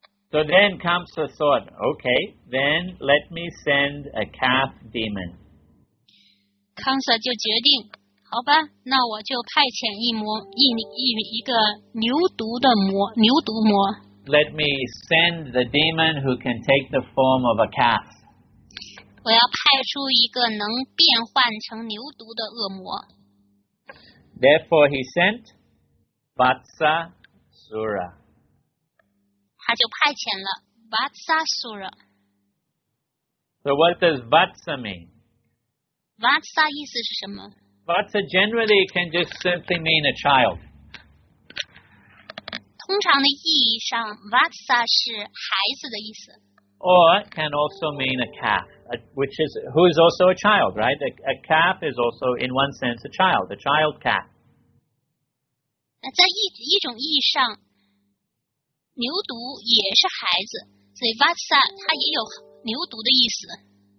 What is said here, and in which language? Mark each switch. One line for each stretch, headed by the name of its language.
English: So then Kamsa thought, okay, then let me send a calf demon.
Chinese: Kamsa 就决定, 好吧, 那我就派遣一个牛犊的魔。
English: Let me send the demon who can take the form of a calf.
Chinese: 我要派出一个能变换成牛犊的恶魔。
English: Therefore he sent Vatsasura.
Chinese: 他就派遣了 Vatsasura.
English: So what does Vatsa mean?
Chinese: Vatsa意思是什么?
English: Vatsa generally can just simply mean a child.
Chinese: 通常的意义上, Vatsa是孩子的意思。
English: Or it can also mean a calf, which is, who is also a child, right? A calf is also, in one sense, a child calf.
Chinese: 在一种意义上, 牛犊也是孩子, 所以Vatsa它也有牛犊的意思。